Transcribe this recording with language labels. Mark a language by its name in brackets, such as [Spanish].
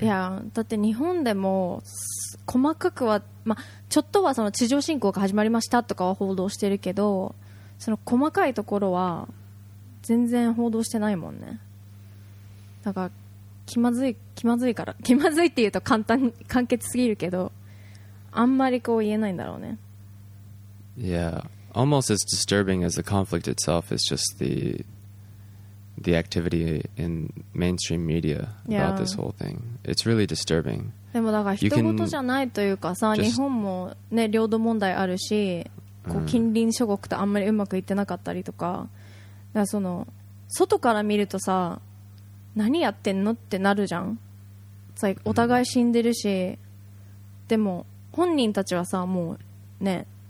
[Japanese] Yeah, だって日本でも細かくは、まあ、ちょっとはその地上侵攻が始まりましたとかは報道してるけど、その細かいところは全然報道してないもんね。だから気まずいから、気まずいって言うと簡潔すぎるけど、あんまりこう言えないんだろうね。 [English] Yeah, almost as disturbing as the conflict itself is just the activity in mainstream media about this whole thing. It's really disturbing. [Japanese] でもだから人事じゃないというかさ、日本もね、領土問題あるし、こう近隣諸国とあんまりうまくいってなかったりとか、だからその外から見るとさ、何やってんのってなるじゃん。さ、お互い死んでるし、でも本人たちはさ、もうね、